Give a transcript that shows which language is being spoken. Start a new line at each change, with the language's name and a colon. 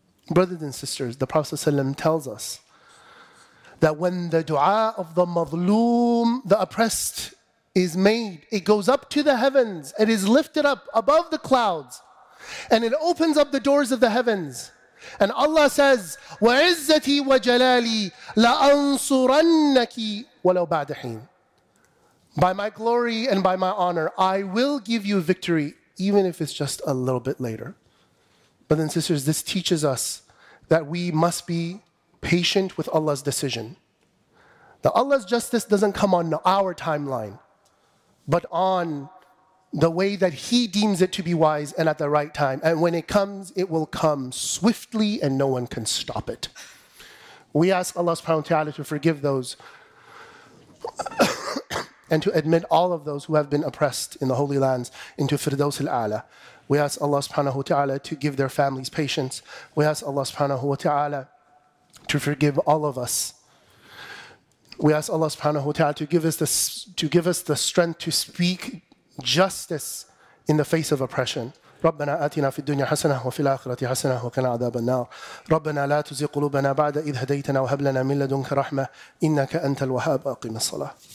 English: Brothers and sisters, the Prophet ﷺ tells us that when the dua of the mazloom, the oppressed, is made, it goes up to the heavens, it is lifted up above the clouds, and it opens up the doors of the heavens. And Allah says,
Arabic: وَعِزَّتِي وَجَلَالِي لَأَنصُرَنَّكِ وَلَوْ بَعْدَ حِينَ.
English: By my glory and by my honor, I will give you victory, even if it's just a little bit later. Brothers and sisters, this teaches us that we must be patient with Allah's decision. That Allah's justice doesn't come on our timeline, but on the way that he deems it to be wise and at the right time. And when it comes, it will come swiftly and no one can stop it. We ask Allah subhanahu wa ta'ala to forgive those and to admit all of those who have been oppressed in the holy lands into Firdaus al-A'la. We ask Allah subhanahu wa ta'ala to give their families patience. We ask Allah subhanahu wa ta'ala to forgive all of us. We ask Allah subhanahu wa ta'ala to give us the strength to speak justice in the face of oppression.
Arabic: ربنا آتنا في الدنيا حسنة وفي الآخرة حسنة وقنا عذاب النار. ربنا لا تزغ قلوبنا بعد إذ هديتنا وهب لنا من لدنك رحمة إنك أنت الوهاب. أقم الصلاة.